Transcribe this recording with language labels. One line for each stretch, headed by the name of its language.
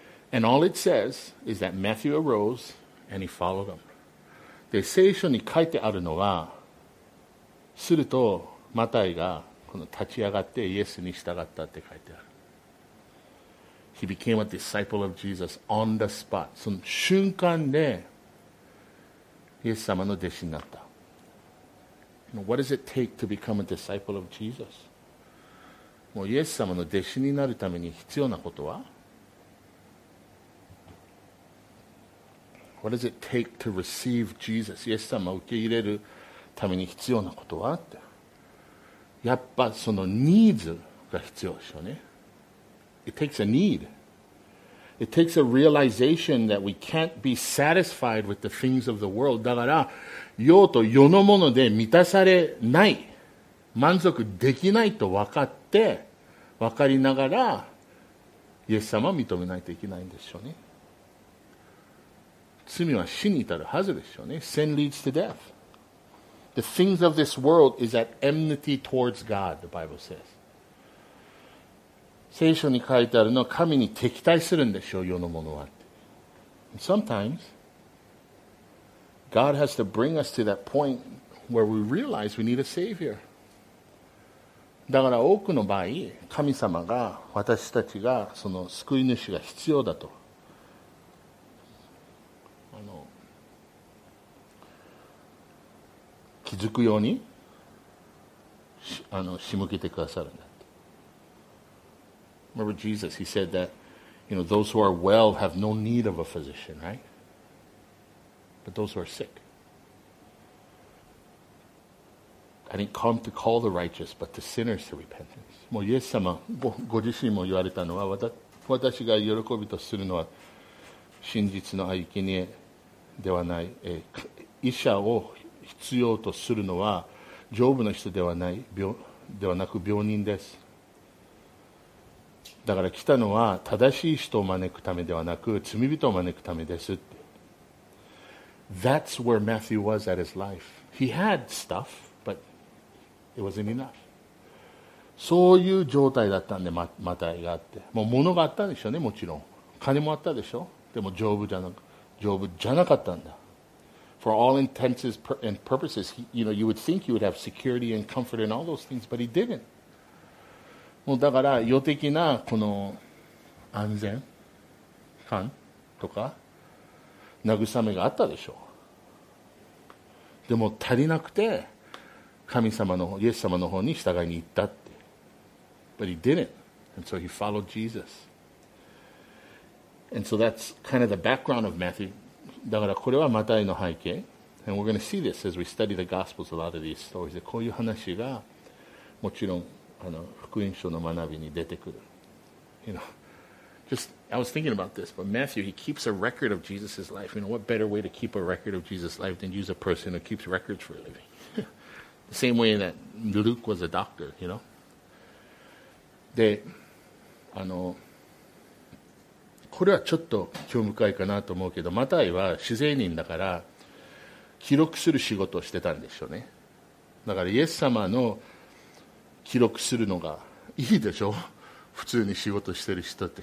English: And all it says is that Matthew arose and he followed him.
Japanese: で、聖書に書いてあるのは、すると、マタイが、この立ち上がってイエスに従ったって書いてある。
English: He became a disciple of Jesus on the spot.
Japanese: その瞬間で、イエス様の弟子になった。
English: What does it take to become a disciple of Jesus?
Japanese: もうイエス様の弟子になるために必要なことは
English: What does it take to receive Jesus?
Japanese: イエス様を受け入れるために必要なことはって。やっぱそのニーズが必要でしょうね。
English: It takes a need. It takes a realization that we can't be satisfied with the things of the world.
Japanese: だから、世と世のもので満たされない。満足できないと分かって、分かりながら、イエス様を認めないといけないんでしょうね。罪は死に至るはずですよね。
English: Sin leads to death. The things of this world is at enmity towards God, the Bible says.
Japanese: 聖書に書いてあるのは神に敵対するんでしょう、世のものは。
English: And sometimes, God has to bring us to that point where we realize we need a Savior.
Japanese: だから多くの場合、神様が、私たちが、その救い主が必要だと。気づくように仕向けてくださるんだって。
English: Remember Jesus, he said that, you know, those who are well have no need of a physician, right? But those who are sick. I didn't come to call the righteous, but the sinners to repentance.
Japanese: もうイエス様ご自身も言われたのは、私が喜びとするのは真実の生贄ではない、医者を必要とするのは丈夫な人ではない、ではなく病人です。だから来たのは正しい人を招くためではなく罪人を招くためですって。
English: That's where Matthew was at his life. He had stuff, but it wasn't enough.
Japanese: そういう状態だったんで、マタイがあって、もう物があったんでしょうね、もちろん金もあったでしょ、でも丈夫じゃなかったんだ。
English: For all intents and purposes, he, you know, you would think he would have security and comfort and all those things, but he didn't.
Japanese: もうだから、世的なこの安全感とか慰めがあったでしょう。でも足りなくて、神様の、イエス様の方に従いに行ったって。
English: But he didn't. And so he followed Jesus. And so that's kind of the background of Matthew.
Japanese: だからこれはマタイの背景。
English: And we're going to see this as we study the Gospels, a lot of these stories.
Japanese: こういう話がもちろん福音書の学びに出てくる。
English: You know, just, I was thinking about this, but Matthew, he keeps a record of Jesus' life. You know, what better way to keep a record of Jesus' life than use a person who keeps records for a living? The same way that Luke was a doctor, you know?
Japanese: で、これはちょっと興味深いかなと思うけど、マタイは主税人だから記録する仕事をしてたんでしょうね。だからイエス様の記録するのがいいでしょ、普通に仕事してる人って。